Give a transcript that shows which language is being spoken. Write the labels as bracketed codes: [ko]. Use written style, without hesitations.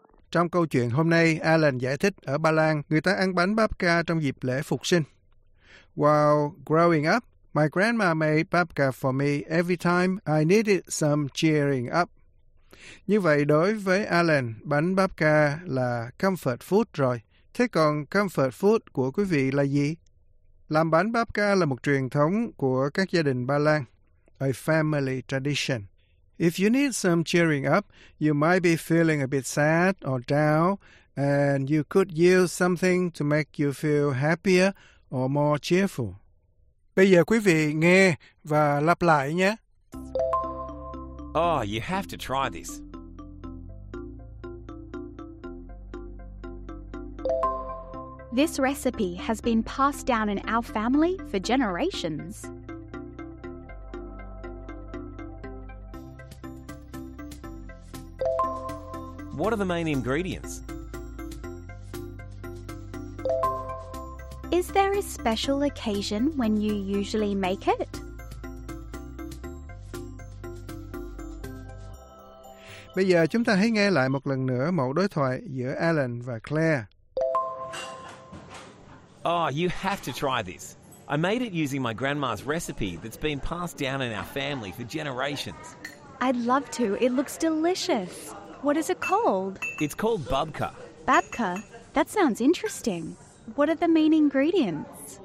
[vi] Trong câu chuyện hôm nay, Alan giải thích ở Ba Lan, người ta ăn bánh babka trong dịp lễ Phục sinh. [en] While growing up, my grandma made babka for me every time I needed some cheering up. [vi] Như vậy, đối với Alan, bánh babka là comfort food rồi. Thế còn comfort food của quý vị là gì? Làm bánh babka là một truyền thống của các gia đình Ba Lan, [en] a family tradition. If you need some cheering up, you might be feeling a bit sad or down, and you could use something to make you feel happier or more cheerful. [vi] Bây giờ quý vị nghe và lặp lại nhé. [en] Oh, you have to try this. This recipe has been passed down in our family for generations. What are the main ingredients? Is there a special occasion when you usually make it? [vi] Bây giờ chúng ta hãy nghe lại một lần nữa mẫu đối thoại giữa Alan và Claire. [en] Oh, you have to try this. I made it using my grandma's recipe that's been passed down in our family for generations. I'd love to. It looks delicious. What is it called? It's called babka. Babka? That sounds interesting. What are the main ingredients?